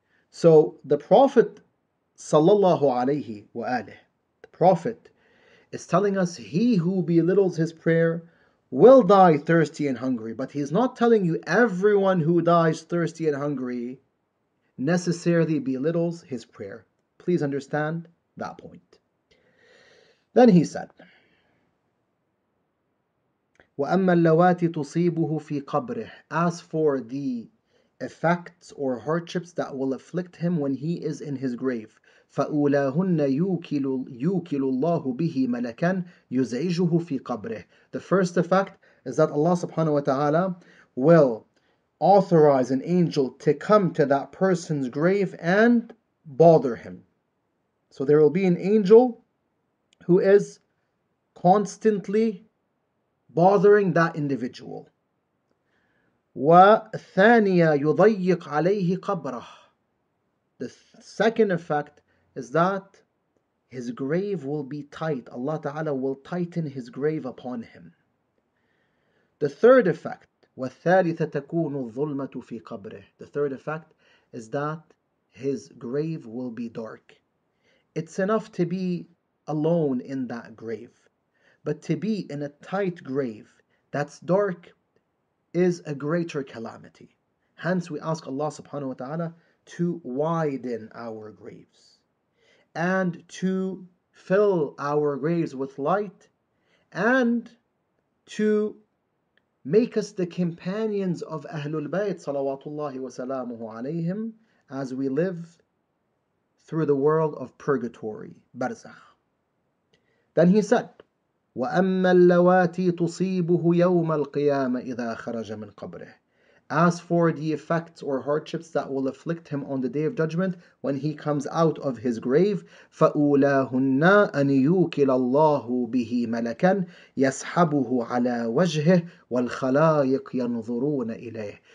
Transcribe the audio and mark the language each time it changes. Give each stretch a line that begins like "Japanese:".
English: So the Prophet sallallahu alayhi wa alih, the Prophet is telling us he who belittles his prayer will die thirsty and hungry. But he's not telling you everyone who dies thirsty and hungry necessarily belittles his prayer. Please understand that point. Then he said,
Arabic: وَأَمَّا اللَّوَاتِ تُصِيبُهُ فِي قَبْرِهِ.
English: As for the effects or hardships that will afflict him when he is in his grave,
Arabic: فَأُولَاهُنَّ يُوكِلُ اللَّهُ بِهِ مَلَكًا يُزَعِجُهُ فِي قَبْرِهِ.
English: The first effect is that Allah subhanahu wa ta'ala will authorize an angel to come to that person's grave and bother him. So there will be an angel who is constantly bothering that individual.
Arabic: وَثَانِيَ يُضَيِّقْ عَلَيْهِ قَبْرَهِ.
English: The second effect is that his grave will be tight. Allah Ta'ala will tighten his grave upon him. The third effect,
Arabic: وَالثَّالِثَ تَكُونُ الظُّلْمَةُ فِي قَبْرِهِ.
English: The third effect is that his grave will be dark. It's enough to be alone in that grave, but to be in a tight grave that's dark is a greater calamity. Hence we ask Allah subhanahu wa ta'ala to widen our graves and to fill our graves with light and to make us the companions of Ahlul Bayt salawatullahi wa salamuhu alayhim as we live through the world of purgatory, barzakh. Then he said,
Arabic: وَأَمَّا اللَّوَاتِي تُصِيبُهُ يَوْمَ الْقِيَامَةِ إِذَا خَرَجَ مِنْ قَبْرِهِ.
English: As for the effects or hardships that will afflict him on the Day of Judgment when he comes out of his grave,
Arabic: فَأُولَاهُنَّ أَنْ يُوكِلَ اللَّهُ بِهِ مَلَكًا يَسْحَبُهُ عَلَى وَجْهِهِ وَالْخَلَائِقْ يَنْظُرُونَ إِلَيْهِ.